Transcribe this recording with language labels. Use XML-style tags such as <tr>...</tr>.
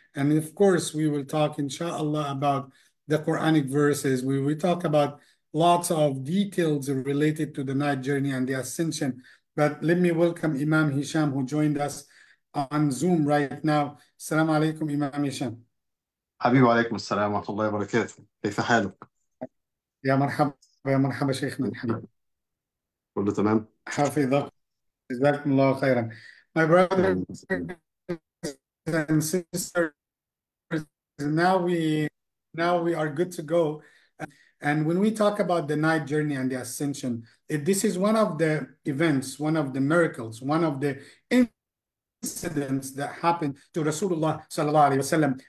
<en>And of course, we will talk inshallah about the Quranic verses. We will talk about lots of details related to the night journey and the ascension. But let me welcome Imam Hisham, who joined us on Zoom right now. Assalamu alaikum, Imam Hisham.</en> <ar>حبيبي وعليكم السلام ورحمة الله وبركاته، كيف حالك؟ يا مرحبا، يا مرحبا شيخنا الحبيب. كله تمام؟ حفظك، جزاكم الله خيرا.</ar> <en>My brothers and sisters, now we are good to go. And when we talk about the night journey and the ascension, this is one of the events, one of the miracles, one of the incidents that happened to Rasulullah sallallahu alaihi wasallam.</en>